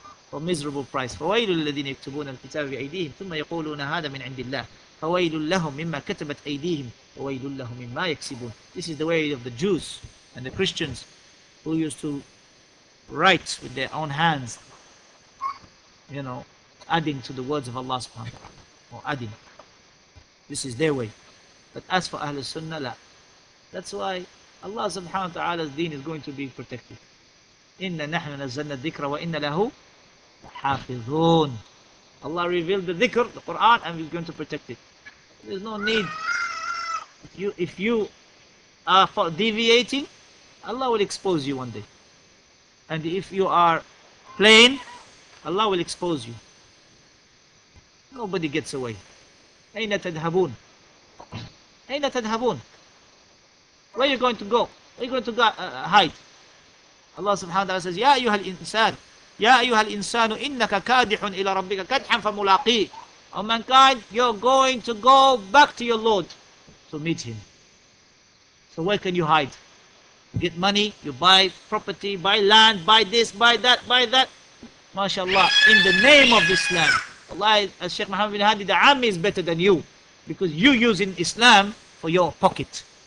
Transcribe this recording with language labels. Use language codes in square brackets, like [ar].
[en] For miserable price. [ar] فويل الذين يكتبون الكتاب بأيديهم ثم يقولون هذا من عند الله فَوَيْلٌ لَهُمْ مِمَّا كَتَبَتْ أَيْدِيهِمْ وَوَيْلٌ لَهُمْ مِمَّا يَكْسِبُونَ. [en] This is the way of the Jews and the Christians who used to write with their own hands, you know, adding to the words of Allah subhanahu wa ta'ala, or adding. This is their way. But as for Ahlul Sunnah, la. That's why Allah subhanahu wa ta'ala's deen is going to be protected. [ar] إِنَّ نَحْنُ نَزَّلْنَا الذِّكْرَ وَإِنَّ لَهُ حَافِظُونَ. [en] Allah revealed the dhikr, the Quran, and we're going to protect it. There's no need. If you are for deviating, Allah will expose you one day. And if you are plain, Allah will expose you. Nobody gets away. [ar] أين تذهبون؟ أين تذهبون؟ [en] Where are you going to go? Where are you going to go, hide? Allah subhanahu wa ta'ala says, [ar] يا أيها الإنسان يا أيها الإنسان إنك كادح إلى ربك كدحا فملاقي. [en] Oh mankind, you're going to go back to your Lord to meet Him. So where can you hide? You get money, you buy property, buy land, buy this, buy that, mashallah, in the name of Islam. Allah, as Sheikh Muhammad bin Hadi, the army is better than you, because you use in Islam for your pocket.